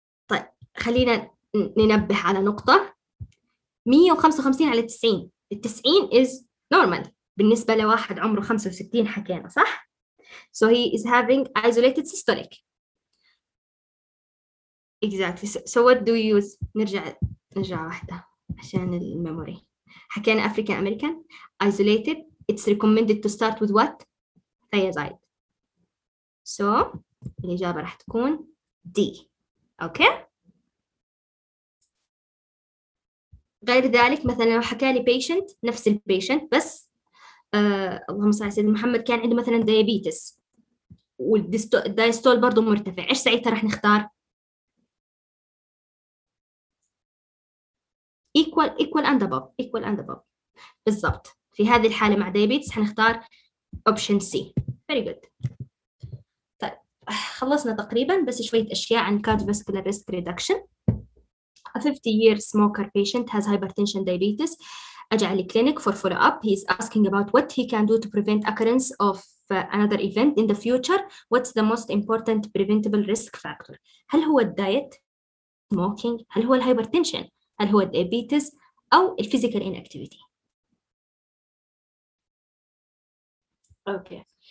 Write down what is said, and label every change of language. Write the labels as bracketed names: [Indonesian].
[Arabic] طيب خلينا ننبه على نقطة, 155/90, التسعين [English] is normal [Arabic] بالنسبة لواحد عمره 65 حكينا صح؟ [English] so he is having isolated systolic exactly. so what do we use? [Arabic] نرجع واحدة عشان الميموري. حكينا [English] African American isolated, it's recommended to start with what? thiazide. So [Arabic] الإجابة راح تكون D. [English] Okay. [Arabic] غير ذلك مثلا لو حكى لي patient نفس البيشنت بس اللهم صل على سيدنا محمد كان عنده مثلا diabetes والدايستول برضو مرتفع، ايش ساعتها راح نختار؟ [English] equal and above [Arabic] بالضبط. في هذه الحاله مع diabetes حنختار option C. [English] very good. [Arabic] طيب خلصنا تقريبا بس شويه اشياء عن cardiovascular risk reduction. [English] A 50-year smoker patient has hypertension diabetes. أجعل clinic for follow-up. He is asking about what he can do to prevent occurrence of another event in the future. What's the most important preventable risk factor? [Arabic] هل هو الدايت؟ smoking؟ هل هو الهايبرتنشن؟ هل هو الديابيتس؟ أو الفيزيكال inactivity؟ [English] Okay.